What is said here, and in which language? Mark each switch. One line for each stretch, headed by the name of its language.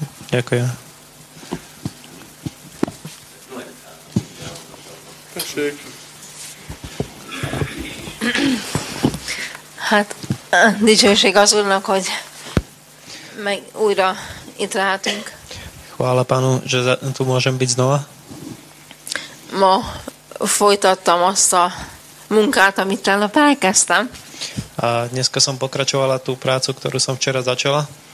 Slovak: Ďakujem.
Hungarian: Tessék. Hát, dicsőség az Úrnak, hogy meg újra itt lehetünk.
Slovak: Chvála Pánu, že tu môžem byť znova.
Hungarian: Ma folytattam azt a munkát, amit tegnap elkezdtem.
Slovak: A dneska som pokračovala tú prácu, ktorú som včera začala.